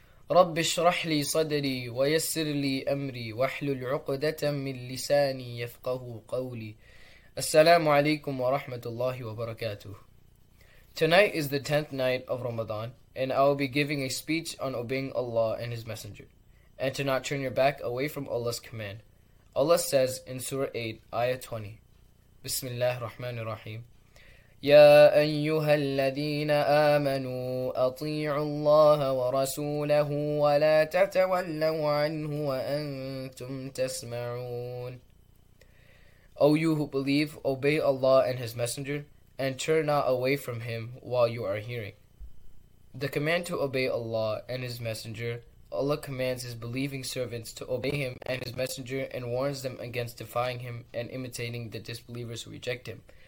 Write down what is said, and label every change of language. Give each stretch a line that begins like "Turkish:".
Arabic: رب اشرح لي صدري ويسر لي أمري واحلل عقدة من لساني يفقه قولي. السلام عليكم ورحمة الله وبركاته.
English: Tonight is the 10th night of Ramadan, and I will be giving a speech on obeying Allah and His Messenger, and to not turn your back away from Allah's command. Allah says in Surah 8, Ayah 20,
Arabic: بسم الله الرحمن الرحيم. يا أيها الذين آمنوا أطيعوا الله ورسوله ولا تتولوا عنه وأنتم تسمعون.
English: O you who believe, obey Allah and His Messenger, and turn not away from Him while you are hearing. The command to obey Allah and His Messenger, Allah commands His believing servants to obey Him and His Messenger and warns them against defying Him and imitating the disbelievers who reject Him.